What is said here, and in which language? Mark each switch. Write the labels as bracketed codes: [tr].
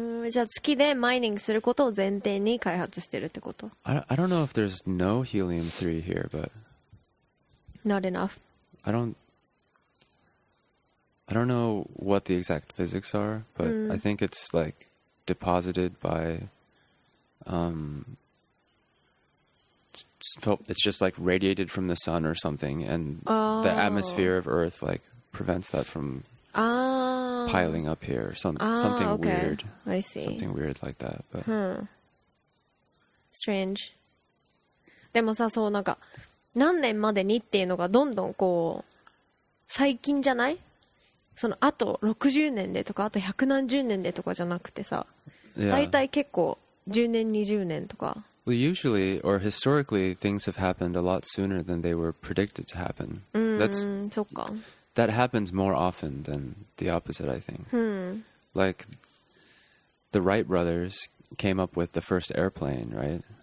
[ja] じゃあ月でマイニングすることを前提に開発してるってこと? [en] I don't know if there's no helium-3 here, but... Not enough. I don't know what the exact physics are, but I think it's like deposited by... So it's just like radiated from the sun or something, and the atmosphere of Earth like prevents that from piling up here. Something okay. weird. I see. Something weird like that. But strange. [ja] でもさ、そうなんか何年までにっていうのがどんどんこう最近じゃない？そのあと60年でとかあと百何十年でとかじゃなくてさ、だいたい結構10年20年とか。 [en] Well, usually, or historically, things have happened a lot sooner than they were predicted to happen. That happens more often than the opposite, I think. Like, the Wright brothers came up with the first airplane, right?